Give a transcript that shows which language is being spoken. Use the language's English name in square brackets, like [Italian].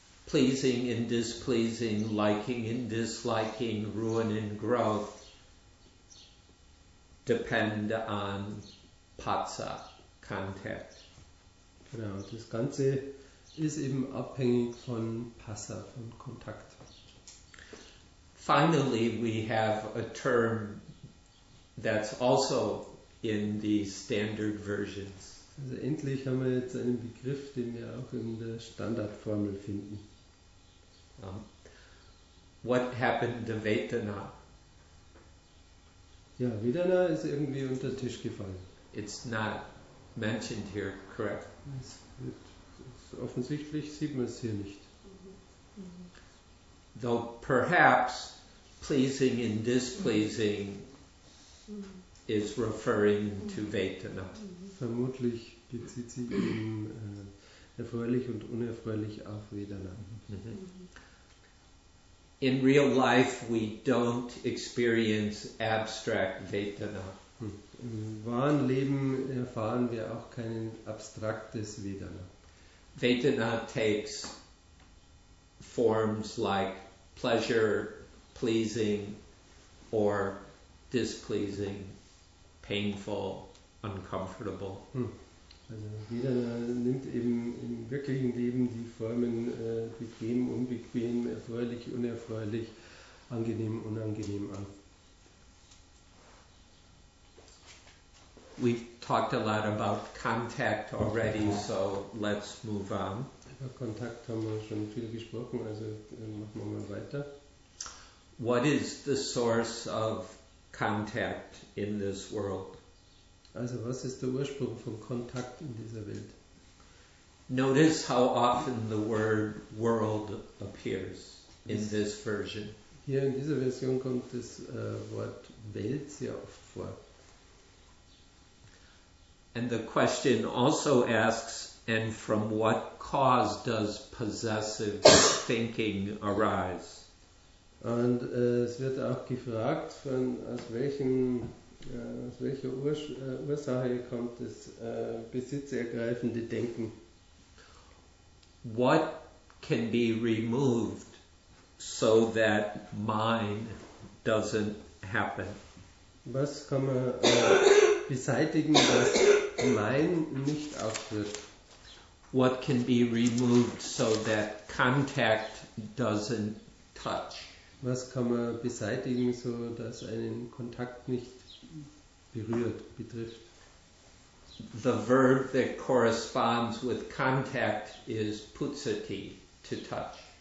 [English] pleasing and displeasing, liking and disliking, ruin and growth depend on Patsa, contact. [German] Genau, das Ganze ist eben abhängig von Patsa, von Kontakt. [English] Finally, we have a term that's also in the standard versions. [German] Also endlich haben wir jetzt einen Begriff, den wir auch in der Standardformel finden. [English] What happened to Vedana? [German] Ja, Vedana ist irgendwie unter den Tisch gefallen. [English] It's not mentioned here, correct? [German] Offensichtlich sieht man es hier nicht. [English] Though perhaps pleasing and displeasing is referring to Vedana. [German] Vermutlich bezieht sich eben erfreulich und unerfreulich auf Vedana. [English] In real life we don't experience abstract Vedana. [German] Im wahren Leben erfahren wir auch kein abstraktes Vedana. [English] Vedana takes forms like pleasure, pleasing or displeasing, painful, uncomfortable. [German] Also Vedana nimmt eben im wirklichen Leben die Formen bequem, unbequem, erfreulich, unerfreulich, angenehm, unangenehm an. [English] We've talked a lot about contact already, so let's move on. [German] Über Kontakt haben wir schon viel gesprochen, also machen wir mal weiter. [English] What is the source of contact in this world? [German] Also, was ist der Ursprung von Kontakt in dieser Welt? [English] Notice how often the word world appears in this version. [German] Hier in dieser Version kommt das Wort Welt sehr oft vor. [English] And the question also asks, and from what cause does possessive thinking arise? [German] Und es wird auch gefragt, von aus welcher Ursache kommt das besitzergreifende Denken? [English] What can be removed so that mine doesn't happen? [German] Was kann man beseitigen, dass mein nicht auftritt? [English] What can be removed so that contact doesn't touch? [German] Was kann man beseitigen, so dass einen Kontakt nicht berührt, betrifft? [English] The verb that corresponds with contact is putsati, to touch.